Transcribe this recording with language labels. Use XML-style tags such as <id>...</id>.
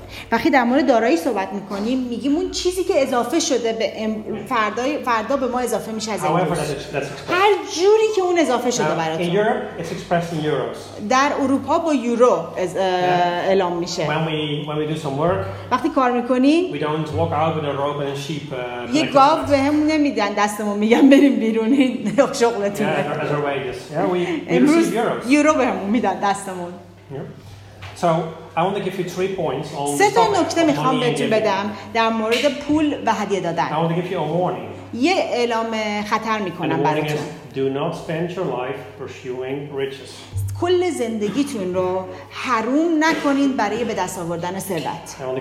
<fa>وقتی در مورد دارایی صحبت میکنیم میگیم اون چیزی که اضافه شده به فردا به ما اضافه میشه از امروز هر جوری که اون اضافه شده برات.</fa> <en>It's expressed in euros.</en> <fa>در اروپا با یورو اعلام میشه.</fa> <en>When we do some work,</en> <fa>وقتی کار میکنیم,</fa> <en>we don't walk out with a rope and a sheep.</en> <fa>یه گاو بهمون نمیدن دستمون میگن بریم بیرون این شغلتون.</fa> <en>Yeah, as our wages. Yeah, we receive euros.</en> <fa>یورو بهمون میدن دستمون.</fa> <en>Yeah. So I want to give you 3 points on.</en> <fa>سه تا نکته میخوام بهتون بدم در مورد پول و هدیه دادن.</fa> <en>I want to give you a warning.</en> <fa>یه اعلام خطر میکنم براتون.</fa> <en>Do not spend your life pursuing riches.</en> <fa>کل زندگیتون رو حروم نکنید برای به دست آوردن ثروت.</fa>